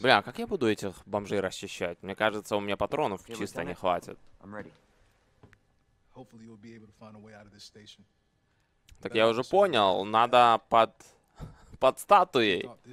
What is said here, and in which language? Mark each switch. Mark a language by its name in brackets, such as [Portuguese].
[Russian] Бля, как я буду этих бомжей расчищать? Мне кажется, у меня патронов чисто не хватит. [English] I'm ready. Hopefully, you'll be able to find a way out of this station. [Russian] Так я уже понял, надо под статуей.